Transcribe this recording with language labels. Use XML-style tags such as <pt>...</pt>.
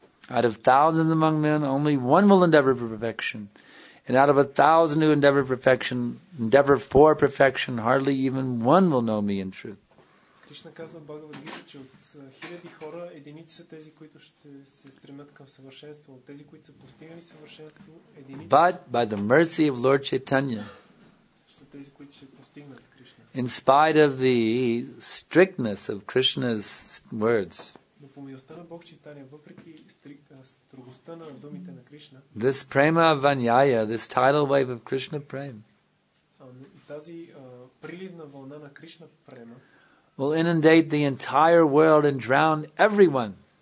<en>Out of thousands among men, only one will endeavor for perfection. And out of a thousand who endeavor for perfection, hardly even one will know me in truth.</en> <bg>Кришна казва в Бхагавад Гита, че от хиляди хора единици са тези, които ще се стремят към съвършенство. От тези, които са постигнали съвършенство, единици.</bg> <en>But by the mercy of Lord Chaitanya,</en> <bg>са тези, които ще постигнат Кришна.</bg> <en>In spite of the strictness of Krishna's words,</en> <bg>но по милостта на Бог Чайтанья, въпреки строгостта на думите на Кришна,</bg> <en>this prema vanyaya, this tidal wave of Krishna prema,</en> <bg>тази приливна вълна на Кришна према,</bg> <en>will inundate the entire world and drown everyone.</en>